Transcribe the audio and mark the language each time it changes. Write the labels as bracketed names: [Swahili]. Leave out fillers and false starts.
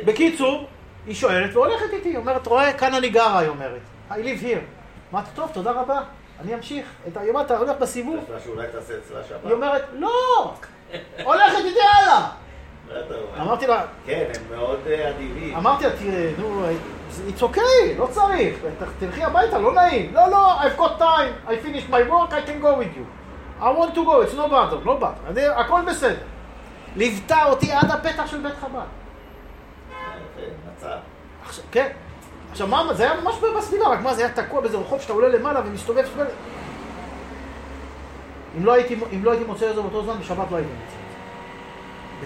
[Hebrew] בקיצור, היא שואלת והולכת איתי, אומרת, רואה, כאן אני גרה, היא אומרת. [English] I live here. [Hebrew] אמרת, טוב, תודה רבה, אני אמשיך. היא אומרת, אתה הולך בסיבוב. זה שאולי תעשה אצלה שבת. היא אומרת, לא, הולכת איתי הלאה. אמרתי לה... כן, הם מאוד אדיבים. אמרתי לה, תראה, נו, [English] it's okay, [Hebrew] לא צריך. תלכי הביתה, לא נעים. לא, לא, [English] I've got time, I finished my work, I can go with you. I want to go, it's no bother, no bother. [Hebrew] הכל בסדר. ליוותה אותי עד הפתח של בית חב"ד. מצא. עכשיו, כן. עכשיו, מה, זה היה ממש בסביבה, רק מה, זה היה תקוע באיזה רחוב שאתה עולה למעלה ומסתובב שבל... אם לא הייתי מוצא לזה באותו זמן, בשבת לא הייתי מוצא לזה.